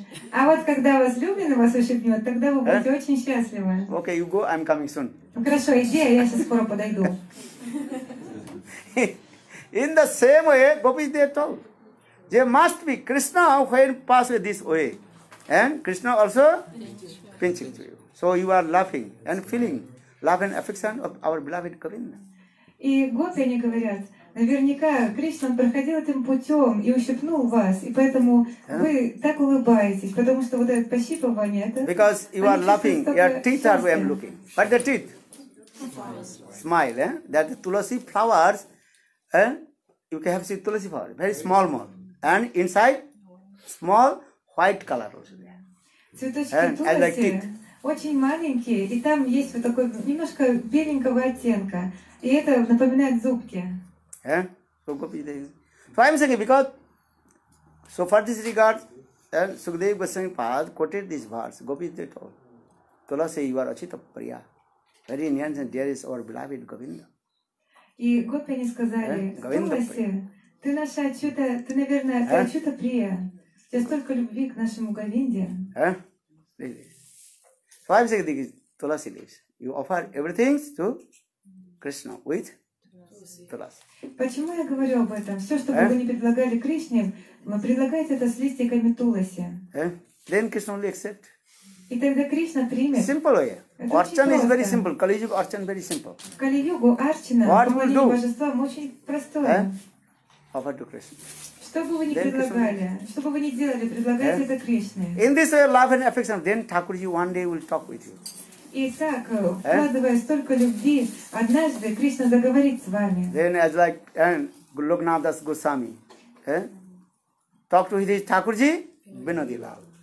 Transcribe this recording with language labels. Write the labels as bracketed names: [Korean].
[Russian] А вот когда возлюбленный вас ущипнет, тогда вы будете очень счастливы. [English] Okay, you go, I'm coming soon. [Russian] Хорошо, иди, я сейчас скоро подойду. [English] In the same way, Gopi they told. They must be Krishna when pass this way. And Krishna also pinching to you. So you are laughing and feeling. love and affection of our beloved Govinda. [Russian] И гопи, они говорят, наверняка Кришна проходил этим путем и ущипнул вас, и поэтому вы так улыбаетесь, потому что вот это пощипывание, это. [English] Because you are laughing, your teeth are where I'm looking. But the teeth, smile, eh? That the tulasi flowers, eh? You can have seen tulasi flower, very small one, and inside, small white color also there. [Russian] Цветочки тулоси. [English] Like teeth. [Russian] Очень маленькие, и там есть вот такой немножко беленького оттенка. И это напоминает зубки. [English] So I'm saying, because so far this regard, Sukadeva Goswami Pada quoted this verse, Gopis they told, Tulasi, you are Achita Priya, very near and dear is our beloved Govinda. [Russian] И гопи они сказали, Tulasi, ты наша Ачюта, ты, наверное, Ачюта Priya. Я столько любви к нашему Говинде. [English] So I'm saying, Tulasi leaves. You offer everything to Krishna with Tulasi. [Russian] Почему я говорю об этом? Все, что вы не предлагали Кришне, вы предлагаете это с листиками Туласи. [English] Then Krishna only accept. [Russian] И тогда Кришна примет. [English] Simple, yeah. Archana is very simple. Kali Yuga Archana very simple. [Russian] В Кали-югу Арчана, помоление божествам, очень простое. [English] Offer to Krishna. [Russian] Что бы вы ни предлагали, что бы вы ни делали, предлагайте это Кришне. [English] In this way, love and affection, then Thakurji one day will talk with you. [Russian] И так, вкладывая столько любви, однажды Кришна заговорит с вами. [English] Then as like, Lugnadas Goswami, talk to his Thakurji, Binodila.